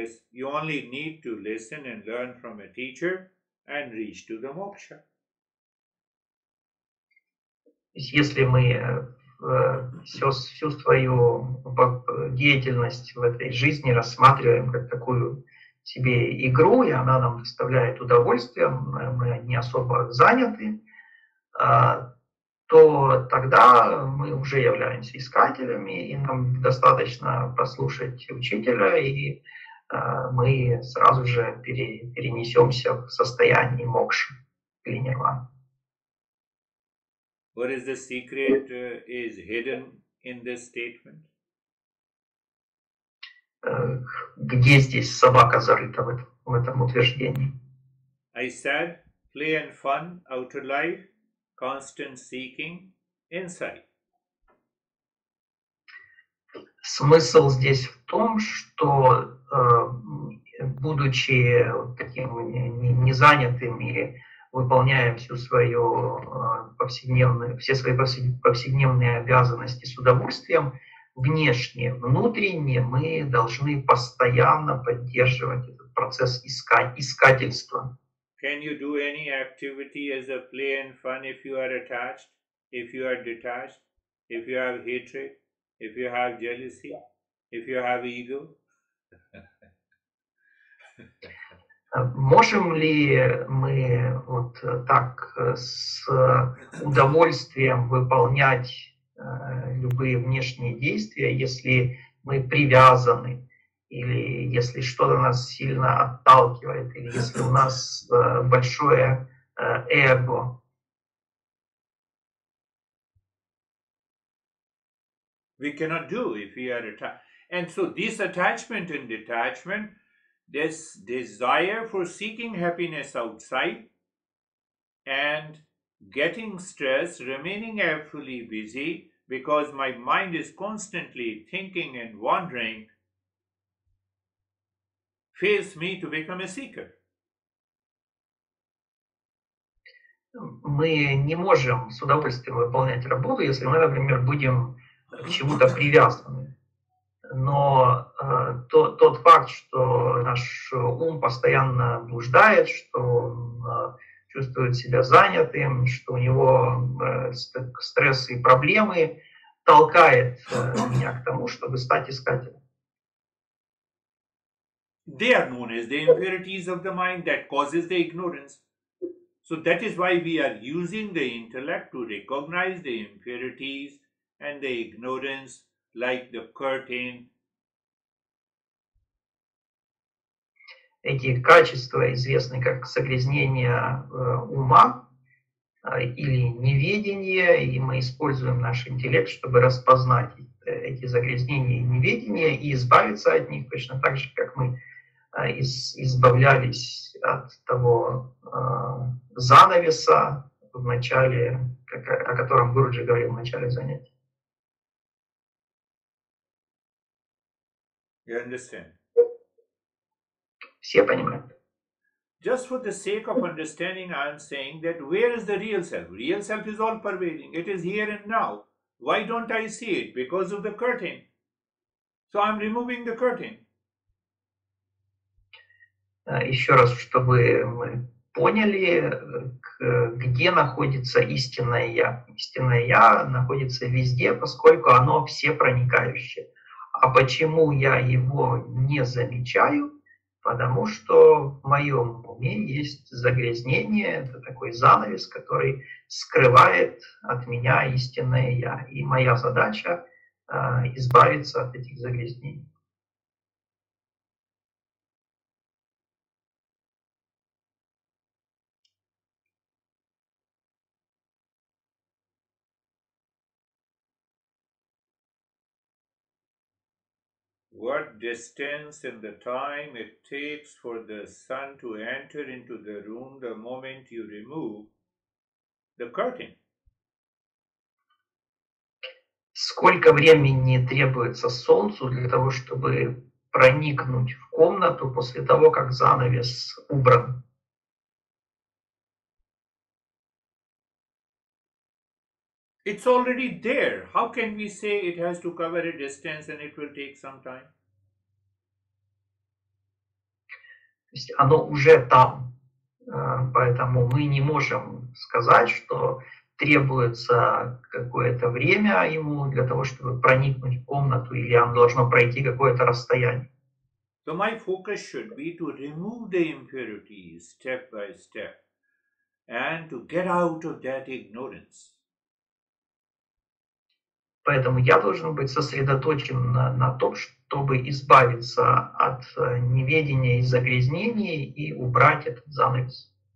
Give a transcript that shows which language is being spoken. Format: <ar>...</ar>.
<en>You only need to listen and learn from a teacher and reach to the moksha.</en> <ru>Если мы всю свою деятельность в этой жизни рассматриваем как такую себе игру, и она нам доставляет удовольствие, мы не особо заняты, то тогда мы уже являемся искателями, и нам достаточно послушать учителя, и мы сразу же перенесемся в состояние мокши или нирваны.</ru> <en>What is the secret is hidden in this statement?</en> <ru>Где здесь собака зарыта в этом утверждении?</ru> <en>I said, play and fun, outer life, constant seeking, inside.</en> <ru>Смысл здесь в том, что будучи таким незанятым и выполняя всю свою повседневную, все свои повседневные обязанности с удовольствием, внешне, внутренне мы должны постоянно поддерживать этот процесс искательства.</ru> <en>Can you do any activity as a play and fun if you are attached, if you are detached, if you have hatred, if you have jealousy, if you have ego?</en> <ru>Можем ли мы вот так с удовольствием выполнять любые внешние действия, если мы привязаны, или если что-то нас сильно отталкивает, или если у нас большое эго?</ru> <en>We cannot do if we are attached. And so this attachment and detachment, this desire for seeking happiness outside and getting stressed, remaining awfully busy, because my mind is constantly thinking and wandering, fails me to become a seeker.</en> <ru>Мы не можем с удовольствием выполнять работу, если мы, например, будем к чему-то привязаны. Но тот факт, что наш ум постоянно блуждает, что чувствует себя занятым, что у него стресс и проблемы, толкает меня к тому, чтобы стать искателем.</ru> <en>They are known as the impurities of the mind that causes the ignorance. So that is why we are using the intellect to recognize the impurities and the ignorance, like the curtain.</en> <ru>Эти качества известны как загрязнение ума или неведение, и мы используем наш интеллект, чтобы распознать эти загрязнения и неведение и избавиться от них, точно так же, как мы избавлялись от того занавеса в начале, о котором Гуруджи говорил в начале занятия.</ru> <en>You understand?</en> <ru>Все понимают.</ru> <en>Just for the sake of understanding, I am saying that where is the real self? Real self is all pervading. It is here and now. Why don't I see it? Because of the curtain. So I'm removing the curtain.</en> <ru>Еще раз, чтобы мы поняли, где находится истинное я. Истинное я находится везде, поскольку оно всепроникающее. А почему я его не замечаю? Потому что в моем уме есть загрязнение, это такой занавес, который скрывает от меня истинное я. И моя задача избавиться от этих загрязнений.</ru> <en>What distance in the time it takes for the sun to enter into the room the moment you remove the curtain?</en> <ru>Сколько времени требуется солнцу для того, чтобы проникнуть в комнату после того, как занавес убран?</ru> <en>It's already there. How can we say it has to cover a distance and it will take some time?</en> <ru>То есть оно уже там. Поэтому мы не можем сказать, что требуется какое-то время ему для того, чтобы проникнуть в комнату, или оно должно пройти какое-то расстояние.</ru> <en>So my focus should be to remove the impurities step by step and to get out of that ignorance.</en> <ru>Поэтому я должен быть сосредоточен на том, чтобы избавиться от неведения и загрязнений и убрать этот занавес.</ru>